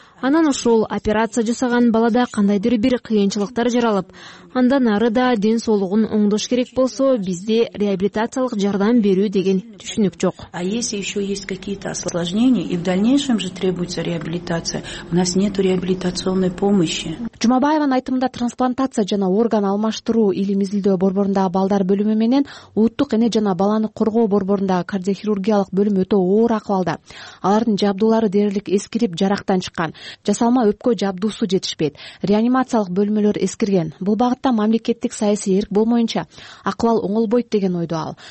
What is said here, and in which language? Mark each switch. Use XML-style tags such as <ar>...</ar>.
<ky>Анан ошол операция жасаган балада кандайдыр бир кыйынчылыктар жаралып, андан ары да ден соолугун оңдош керек болсо, бизде реабилитациялык жардам берүү деген түшүнүк жок.</ky> <ru>А если еще есть какие-то осложнения и в дальнейшем же требуется реабилитация, у нас нет реабилитационной помощи.</ru> <ky>Жумабаеванын айтымында трансплантация жана орган алмаштыруу илим изилдөө борборундагы балдар бөлүмү менен ууттук эне жана баланы коргоо борборундагы кардиохирургиялык бөлүм өтө оор акыбалда. Алардын жабдуулары дээрлик эскирип жарактан чыккан. Жасалма өпкө жабдуусу жетишпейт. Реанимациялык бөлмөлөр эскирген. Бул багытта мамлекеттик саясий эрк болмоюнча акыбал оңолбойт деген ойдо ал.</ky>